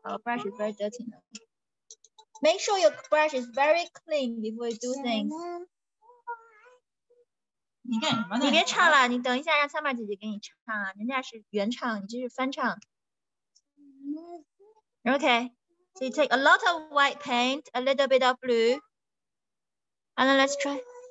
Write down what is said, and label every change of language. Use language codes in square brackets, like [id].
[en] Our brush is very dirty now. Make sure your brush is very clean before you do things. [zh] 你干什么呢？你别唱了，你等一下，让三妹姐姐给你唱啊！人家是原唱，你这是翻唱。 [en] Okay, so you take a lot of white paint, a little bit of blue, and then let's try.